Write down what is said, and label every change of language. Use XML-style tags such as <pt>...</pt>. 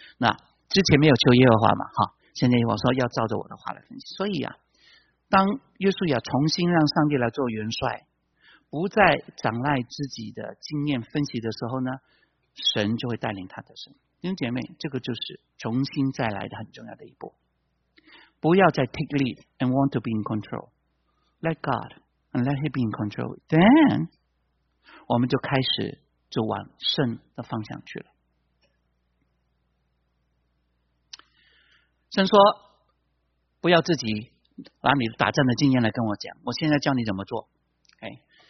<zh>那之前没有求耶和华嘛，哈，现在耶和华说要照着我的话来分析。所以啊，当约书亚重新让上帝来做元帅，不再掌赖自己的经验分析的时候呢，神就会带领他的神。弟兄姐妹，这个就是重新再来的很重要的一步。不要再</zh> <en>take lead and want to be in control. Let God and let him be in control.</en> <zh>Then, 我们就开始就往胜的方向去了。神说，不要自己拿你打仗的经验来跟我讲，我现在教你怎么做。</zh> <en>Okay.</en>